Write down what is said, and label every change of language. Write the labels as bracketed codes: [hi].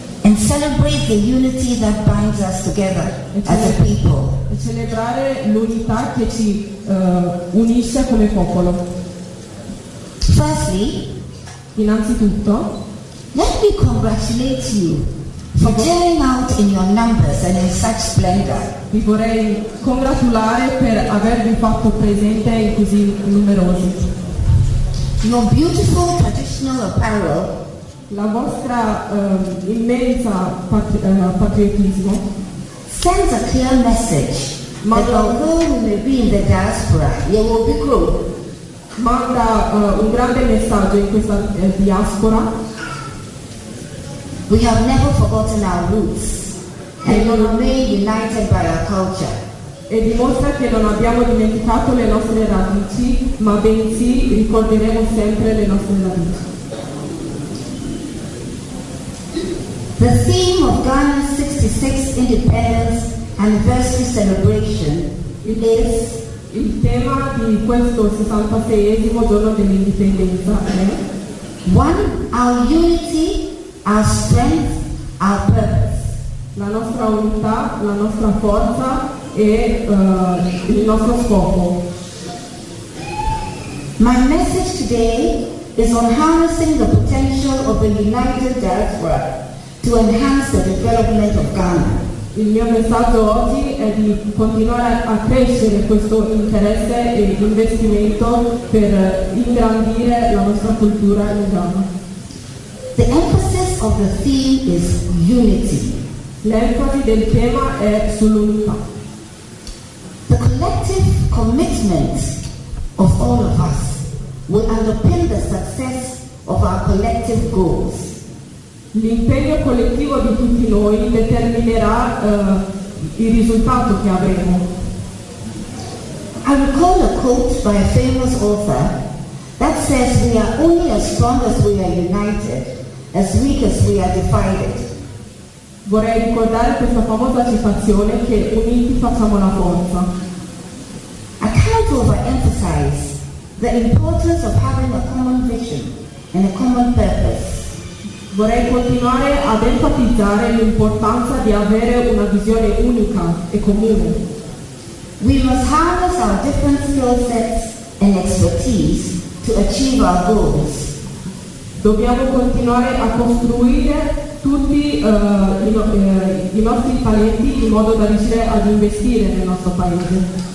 [en] and celebrate the unity that binds us together as a people, [it] e celebrare l'unità che ci unisce come popolo. [en] Firstly, [it] innanzitutto, [en] let me congratulate you for turning out in your numbers and in such splendor. [it] Vi vorrei congratulare per avervi fatto presente in così numerosi. [en] Your beautiful traditional apparel, [it] la vostra immensa patriotismo, [en] sends a clear message that although we may be in the diaspora, you will be grown. [it] Manda un grande messaggio in questa diaspora. [en] We have never forgotten our roots. And we remain united by our culture. [it] E dimostra che non abbiamo dimenticato le nostre radici, ma bensì ricorderemo sempre le nostre radici. [en] The theme of Ghana's 66th Independence Anniversary Celebration is [it] il tema di questo 66esimo giorno dell'indipendenza è [en] One, our unity, our strength, our purpose. [it] La nostra unità, la nostra forza e il nostro scopo. [en] My message today is on harnessing the potential of a united diaspora to enhance the development of Ghana. [it] Il mio messaggio oggi è di continuare a crescere questo interesse e investimento per ingrandire la nostra cultura in Ghana. [en] The emphasis of the theme is unity. [it] L'enfasi del tema è sull'unità. [en] The collective commitment of all of us will underpin the success of our collective goals. [it] L'impegno collettivo di tutti noi determinerà il risultato che avremo. [en] I recall a quote by a famous author that says we are only as strong as we are united, as weak as we are divided. [it] Vorrei ricordare questa famosa citazione che uniti facciamo la forza. [en] I can't overemphasize the importance of having a common vision and a common purpose. [it] Vorrei continuare ad enfatizzare l'importanza di avere una visione unica e comune. [en] We must harness our different skill sets and expertise to achieve our goals. [it] Dobbiamo continuare a costruire tutti i nostri talenti in modo da riuscire ad investire nel nostro paese.